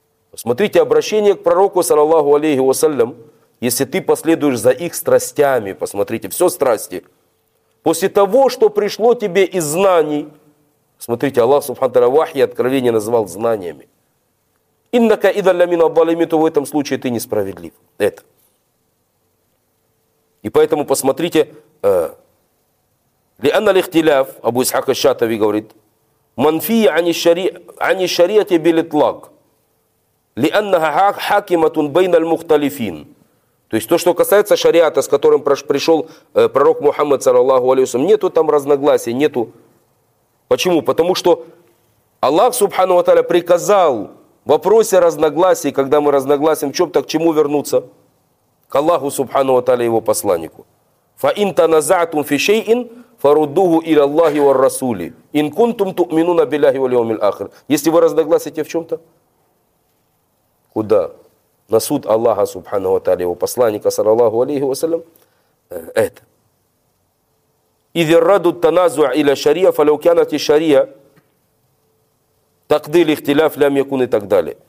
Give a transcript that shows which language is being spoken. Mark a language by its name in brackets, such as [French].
[Russian] Посмотрите, обращение к пророку, саллаллаху алейхи ва саллям. Если ты последуешь за их страстями, посмотрите, все страсти. После того, что пришло тебе из знаний, смотрите, Аллах субхану тааля вахи откровение назвал знаниями. [Arabic] Иннака идзан ламин аз-залимин, [Russian] то в этом случае ты несправедлив. Это. И поэтому посмотрите, [Arabic] لأن الاختلاف أبو إسحاق الشاطبي [Russian] говорит [Arabic] منفي عن الشريعة بالإطلاق لأنها حاكمة بين المختلفين. [Russian] То есть то, что касается шариата, с которым пришел пророк Мухаммад саллаллаху алейхи ва саллям, нету там разногласий, нету. Почему? Потому что Аллах субхану ва тааля приказал в вопросе разногласий, когда мы разногласим, в чем-то к чему вернуться? К Аллаху субхану ва тааля, его посланнику. [Arabic] فإن تنازعتم في شيء فردوه إلى الله والرسول إن كنتم تؤمنون بالله واليوم الآخر. [Russian] Если вы разногласите в чем-то, куда? На суд Аллаха субханаху ва тааля, его посланника саллаллаху алейхи ва саллям. Это. [Arabic] إذ الرد التنازع إلى الشريعة فلو كانت الشريعة تقضي الاختلاف لم يكن [Russian] и так далее.